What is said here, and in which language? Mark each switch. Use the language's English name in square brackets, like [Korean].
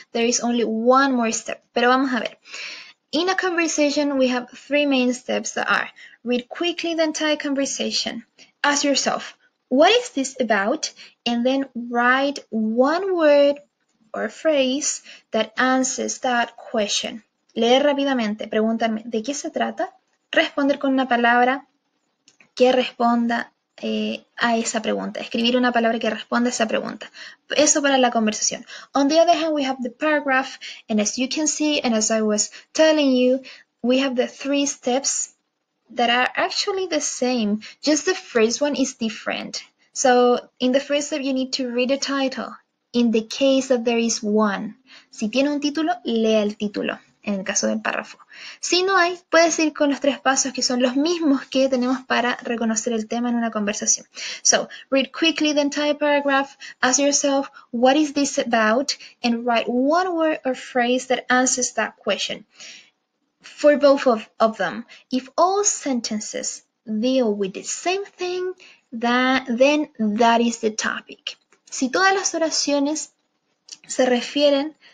[English] There is only one more step, [Spanish] pero vamos a ver. [English] In a conversation, we have three main steps that are: read quickly the entire conversation, ask yourself, what is this about? And then write one word or phrase that answers that question. [Spanish] Leer rápidamente, preguntarme, ¿de qué se trata? Responder con una palabra que responda a esa pregunta. Escribir una palabra que responda a esa pregunta. Eso para la conversación. [English] On the other hand, we have the paragraph. And as you can see, and as I was telling you, we have the three steps that are actually the same, just the first one is different. So in the first step, you need to read the title. In the case that there is one. [Spanish] Si tiene un título, lea el título, en el caso del párrafo. Si no hay, puedes ir con los tres pasos que son los mismos que tenemos para reconocer el tema en una conversación. [English] So, read quickly the entire paragraph, ask yourself, what is this about? And write one word or phrase that answers that question. For both of them, if all sentences deal with the same thing, then that is the topic. [Spanish] Si todas las oraciones se refieren